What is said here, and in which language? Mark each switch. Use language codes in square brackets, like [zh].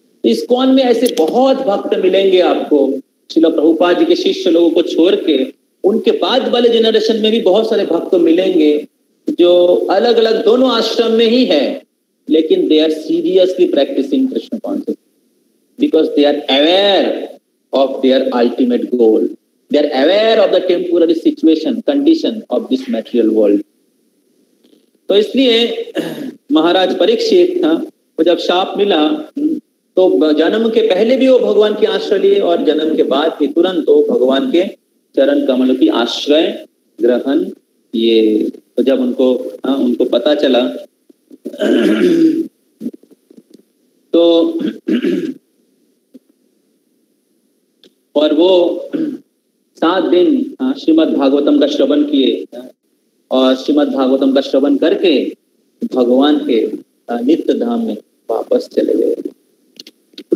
[hi] इस कौन में ऐसे बहुत भक्त मिलेंगे आपको, श्रील प्रभुपाद जी के शिष्य लोगों को छोड़ के उनके बाद वाले जनरेशन में भी बहुत सारे भक्त मिलेंगे जो अलग अलग दोनों आश्रम में ही है लेकिन [en] They are seriously practicing Krishna consciousness. because they are aware of their ultimate goal. They are aware of the temporary situation, condition of this material world. [hi] तो इसलिए महाराज परीक्षित को जब शाप मिला तो जन्म के पहले भी वो भगवान की आश्रय लिए और जन्म के बाद भी तुरंत वो भगवान के चरण कमल की आश्रय ग्रहण किए। तो जब उनको उनको पता चला तो और वो 7 दिन श्रीमद् भागवतम का श्रवण किए और श्रीमद् भागवतम का श्रवण करके भगवान के नित्य धाम में वापस चले गए।